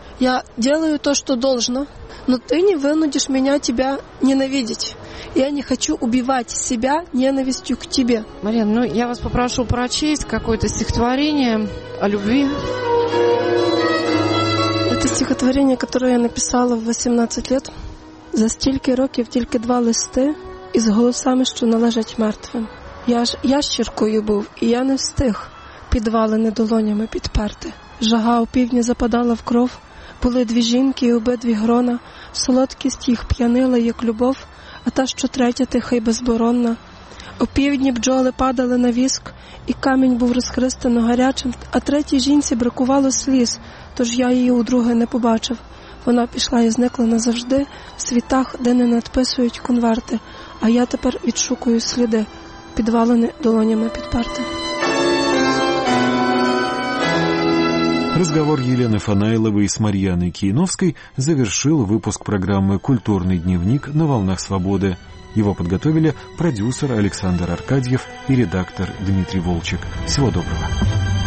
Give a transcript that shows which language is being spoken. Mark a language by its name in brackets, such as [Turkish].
[Russian] Я делаю то, что должно, но ты не вынудишь меня тебя ненавидеть. Я не хочу убивать себя ненавистью к тебе. Марина, ну я вас попрошу прочесть какое-то стихотворение о любви. Это стихотворение, которое я написала в 18 лет. [Ukrainian] За стільки років тільки два листи із голосами, що належать мертвим. Я ж ящіркою був, і я не встиг підвалини долонями підперти. Жага опівдні западала в кров. Були дві жінки і обидві грона. Солодкість їх п'янила, як любов, а та, що третя, тиха й безборонна. Опівдні бджоли падали на віск, і камінь був розхристано гарячим, а третій жінці бракувало сліз, тож я її удруге не побачив. Вона пішла і зникла назавжди в світах, де не надписують конверти, а я тепер відшукую сліди, підвалені долонями підперти. [Russian] Разговор Елены Фанайловой с Марьяной Кийновской завершил выпуск программы «Культурный дневник на волнах свободы». Его подготовили продюсер Александр Аркадьев и редактор Дмитрий Волчек. Всего доброго.